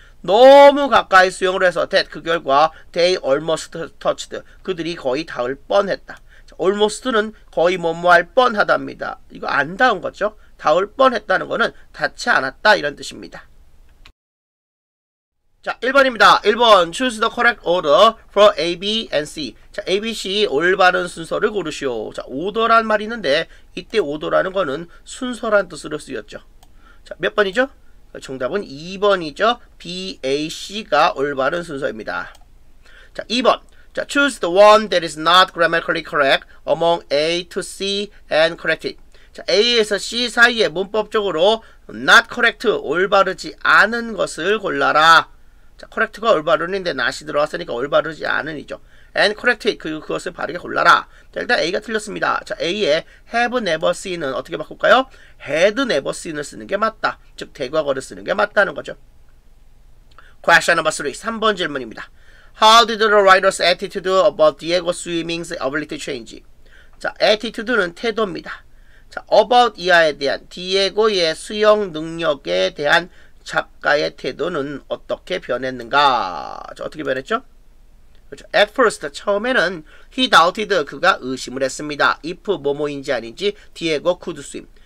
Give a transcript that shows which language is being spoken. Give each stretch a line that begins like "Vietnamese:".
Korean: 너무 가까이 수영을 해서 that 그 결과
English: they almost touched
Korean: 그들이 거의 닿을 뻔했다. almost는 거의 뭐뭐할 뻔하답니다. 이거 안 닿은 거죠? 닿을 뻔했다는 거는 닿지 않았다 이런 뜻입니다. 자, 1번입니다.
English: 1번 choose the correct order for A, B, and C.
Korean: 자, A, B, C 올바른 순서를 고르시오. 자, order란 말이 있는데 이때 order라는 거는 순서란 뜻으로 쓰였죠. 자, 몇 번이죠? 정답은 2번이죠. B, A, C가 올바른 순서입니다. 자, 2번.
English: 자, choose the one that is not grammatically correct among A to C and correct it.
Korean: 자, A에서 C 사이에 문법적으로 not correct, 올바르지 않은 것을 골라라. 자, correct가 올바른인데 not이 들어왔으니까 올바르지 않은 이죠. and correct it, 그것을 바르게 골라라. 자, 일단 A가 틀렸습니다. 자, A에 have never seen은 어떻게 바꿀까요? had never seen을 쓰는 게 맞다. 즉, 대과거를 쓰는 게 맞다는 거죠.
English: Question number 3,
Korean: 3번 질문입니다.
English: How did the writer's attitude about Diego Swimming's ability change?
Korean: 자, attitude는 태도입니다. 자, about 이하에 대한, 디에고의 수영 능력에 대한 작가의 태도는 어떻게 변했는가? 자, 어떻게 변했죠? 그렇죠. At first, 처음에는
English: he doubted,
Korean: 그가 의심을 했습니다.
English: If 뭐뭐인지 아닌지, Diego could swim.